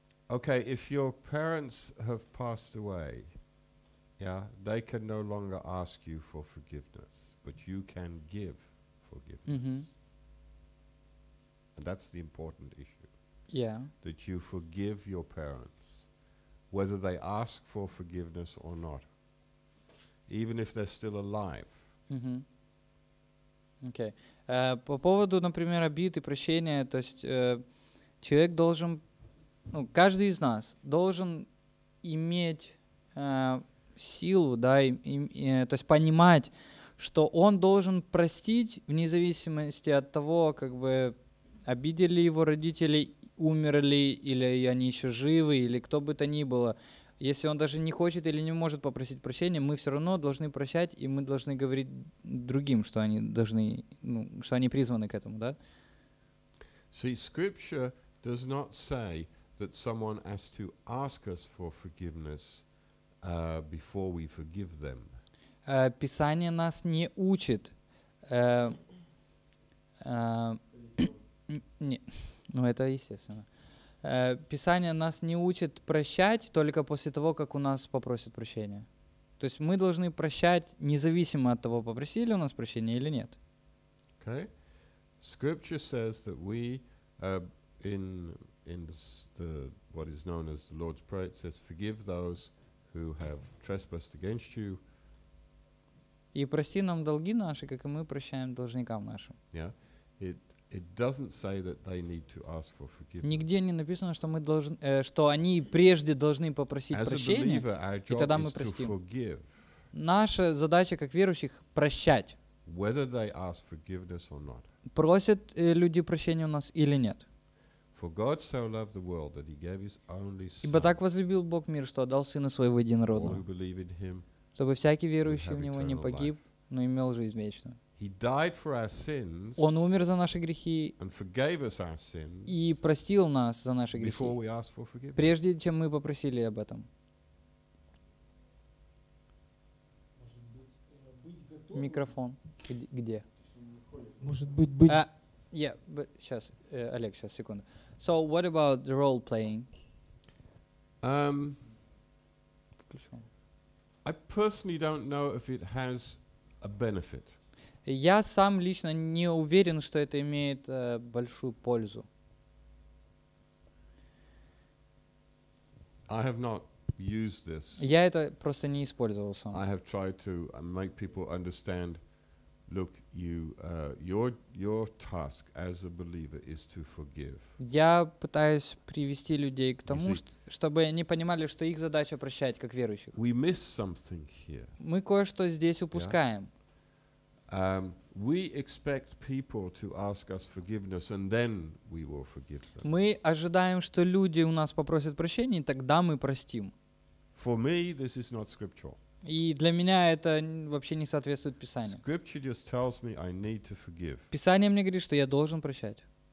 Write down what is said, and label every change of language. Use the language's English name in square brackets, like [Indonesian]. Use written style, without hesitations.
[English] Okay, if your parents have passed away, yeah, they can no longer ask you for forgiveness, but you can give forgiveness. Mm-hmm. And that's the important issue. Yeah. That you forgive your parents, whether they ask for forgiveness or not, even if they're still alive. Mm-hmm. Okay. [Russian] По поводу, например, обиды, прощения, то есть человек должен, ну, каждый из нас должен иметь силу, да, то есть понимать, что он должен простить вне зависимости от того, как бы обидели его родители, умерли или они еще живы, или кто бы то ни было. Если он даже не хочет или не может попросить прощения, мы все равно должны прощать, и мы должны говорить другим, что они должны, ну, что они призваны к этому, да? [English] See, scripture does not say that someone has to ask us for forgiveness before we forgive them. [Russian] Писание нас не учит. Ну это естественно. Писание нас не учит прощать только после того, как у нас попросят прощения. То есть мы должны прощать независимо от того, попросили у нас прощения или нет. [English] Okay. Scripture says that we in the what is known as the Lord's Prayer, it says, forgive those who have trespassed against you. [Russian] И прости нам долги наши, как и мы прощаем должникам нашим. [English] Yeah. It doesn't say that they need to ask for forgiveness. [Russian] Нигде не написано, что мы должны, что они прежде должны попросить прощения, и тогда мы простим. Наша задача как верующих прощать. [English] Whether they ask forgiveness or not. [Russian] Просят люди прощения у нас или нет? [English] For God so loved the world that he gave his only Son. [Russian] Ибо так возлюбил Бог мир, что отдал Сына Своего Единородного. Чтобы всякий верующий в него не погиб, но имел жизнь вечную. [English] He died for our sins. [Russian] Он умер за наши грехи. [English] And forgave us our sins. [Russian] И простил нас за наши грехи. [English] Before we asked for forgiveness. [Russian] Прежде чем мы попросили об этом. Микрофон. Где? Может быть быть. Сейчас, Олег, сейчас секунду. [English] So what about the role playing? I personally don't know if it has a benefit. [Russian] Я сам лично не уверен, что это имеет большую пользу. [English] I have not used this. [Russian] Я это просто не использовал сам. [English] I have tried to make people understand, look, you, your task as a believer is to forgive. [Russian] Я пытаюсь привести людей к тому, чтобы они понимали, что их задача прощать, как верующих. [English] We miss something here. [Russian] Мы кое-что здесь упускаем. [English] Yeah? We expect people to ask us forgiveness, and then we will forgive them. [Russian] Мы ожидаем, что люди у нас попросят прощения, и тогда мы простим. [English] For me, this is not scriptural. [Russian] И для меня это вообще не соответствует Писанию. [English] Scripture just tells me I need to forgive. [Russian] Писание мне говорит, что я должен прощать.